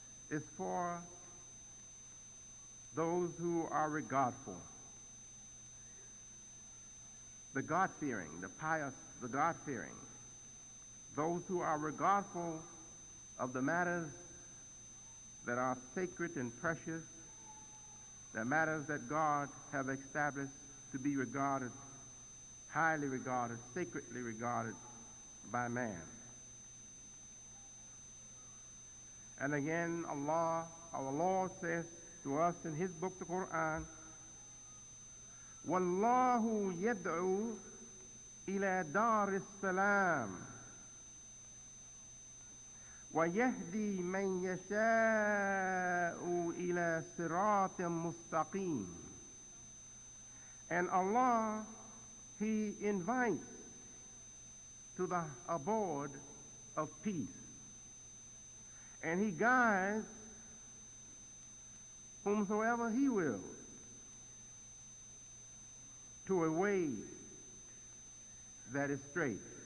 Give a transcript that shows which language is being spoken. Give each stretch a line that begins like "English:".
English: is for those who are regardful, the God-fearing, the pious, the God-fearing, those who are regardful of the matters that are sacred and precious, the matters that God have established to be regarded, highly regarded, sacredly regarded by man. And again, Allah, our Lord, says to us in His book, the Quran,
Arabic: والله يدعو إلى دار السلام ويهدي من يشاء إلى صراط مستقيم.
English: And Allah, He invites to the abode of peace. And He guides whomsoever He will to a way that is straight.